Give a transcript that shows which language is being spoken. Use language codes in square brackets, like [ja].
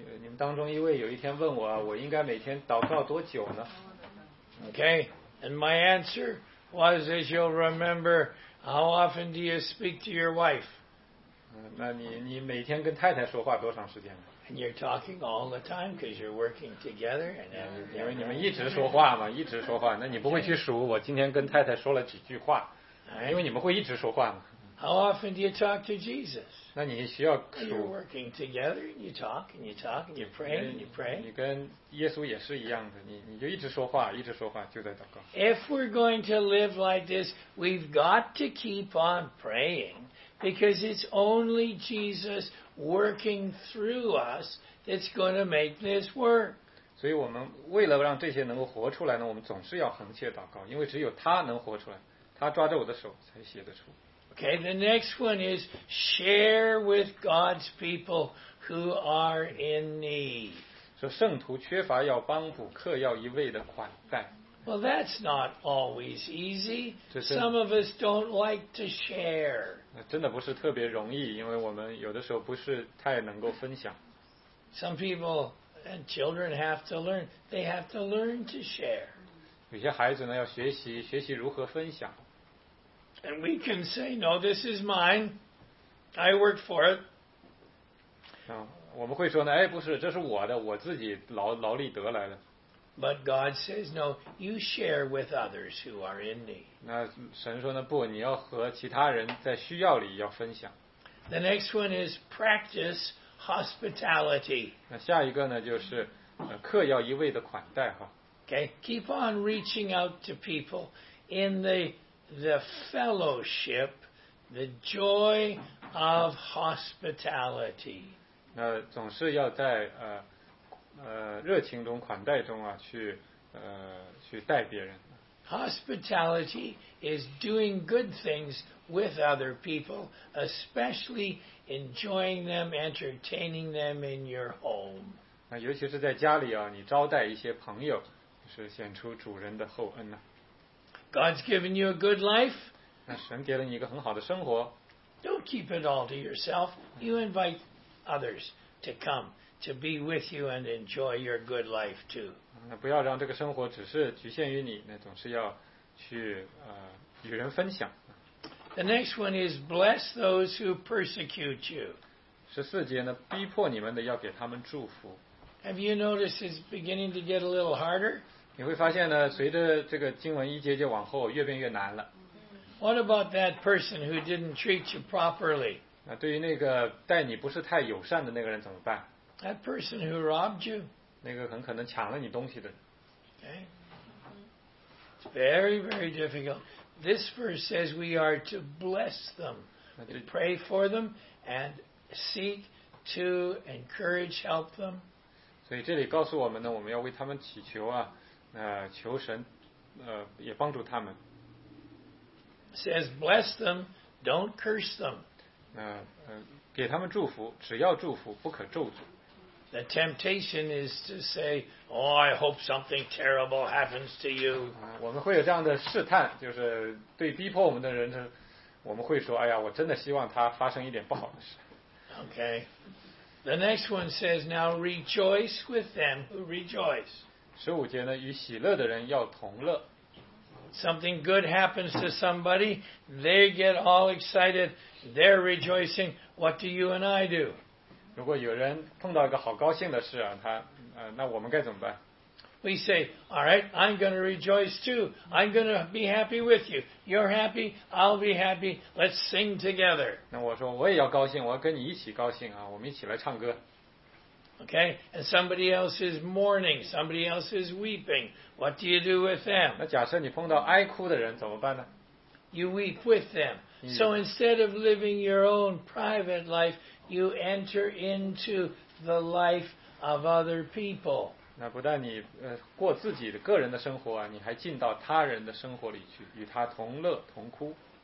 [zh] 你们当中一位有一天问我，我应该每天祷告多久呢 [en] ？Okay, and my answer was, as you'll remember, how often do you speak to your wife? [zh] 那你每天跟太太说话多长时间呢 [en] ？And you're talking all the time because you're working together. And then, [zh] 因为你们一直说话嘛，一直说话。那你不会去数我今天跟太太说了几句话， [en] right. [zh] 因为你们会一直说话嘛。 [en] How often do you talk to Jesus? [zh] 那你需要数。 [en] You're working together. You talk and you talk and you pray and you pray. [zh] 你跟耶稣也是一样的，你就一直说话，一直说话，就在祷告。 [en] If we're going to live like this, we've got to keep on praying. Because it's only Jesus working through us that's going to make this work. [zh] 所以我们为了让这些能够活出来呢，我们总是要恒切祷告，因为只有他能活出来，他抓着我的手才写得出。 [en] Okay, the next one is share with God's people who are in need. [zh] 说圣徒缺乏要帮补，客要一味的款待。 [en] Well, that's not always easy. Some of us don't like to share. [zh] 真的不是特别容易，因为我们有的时候不是太能够分享。 [en] Some people and children have to learn. They have to learn to share. [zh] 有些孩子呢要学习如何分享。 [en] And we can say, no, this is mine. I worked for it. [zh] 我们会说呢，哎，不是，这是我的，我自己劳力得来的。 [en] But God says, no, you share with others who are in need. [zh] 那神说呢，不，你要和其他人在需要里要分享。 [en] The next one is practice hospitality. [zh] 那下一个呢，就是客要一味的款待哈。 [en] Okay, keep on reaching out to people in the fellowship, the joy of hospitality. [zh] 那总是要在热情中款待中啊，去待别人。 [en] Hospitality is doing good things with other people, especially enjoying them, entertaining them in your home. [zh] 那尤其是在家里啊，你招待一些朋友，就是显出主人的厚恩呢、啊。 [en] God's given you a good life. [zh] 那神给了你一个很好的生活。 [en] Don't keep it all to yourself. You invite others to come to be with you and enjoy your good life too. [zh] 那不要让这个生活只是局限于你，那总是要去与人分享。 [en] The next one is bless those who persecute you. [zh] 十四节呢，逼迫你们的要给他们祝福。 [en] Have you noticed it's beginning to get a little harder? [zh] 你会发现呢，随着这个经文一节节往后，越变越难了。 [en] What about that person who didn't treat you properly? [zh] 那对于那个待你不是太友善的那个人怎么办？ [en] That person who robbed you? [zh] 那个很可能抢了你东西的。 [en] Okay. It's very, very difficult. This verse says we are to bless them, to pray for them, and seek to encourage, help them. [zh] 所以这里告诉我们呢，我们要为他们祈求啊，求神，也帮助他们。 [en] Says bless them, don't curse them. [zh] 给他们祝福，只要祝福，不可咒诅。 [en] The temptation is to say, "Oh, I hope something terrible happens to you." [zh] 我们会有这样的试探，就是对逼迫我们的人，我们会说，哎呀，我真的希望他发生一点不好的事。 [en] Okay. The next one says, "Now rejoice with them who rejoice." [zh] 十五节呢，与喜乐的人要同乐。 [en] Something good happens to somebody, they get all excited, they're rejoicing. What do you and I do? [zh] 如果有人碰到一个好高兴的事啊，他那我们该怎么办？ [en] We say, all right, I'm going to rejoice too. I'm going to be happy with you. You're happy, I'll be happy. Let's sing together. [zh] 那我说我也要高兴，我要跟你一起高兴啊，我们一起来唱歌。 [en] Okay, and somebody else is mourning, somebody else is weeping. What do you do with them? [zh] 那假设你碰到哀哭的人怎么办呢？ [en] You weep with them. So instead of living your own private life,You enter into the life of other people. [zh] 那不但你过自己的个人的生活啊，你还进到他人的生活里去，与他同乐同哭。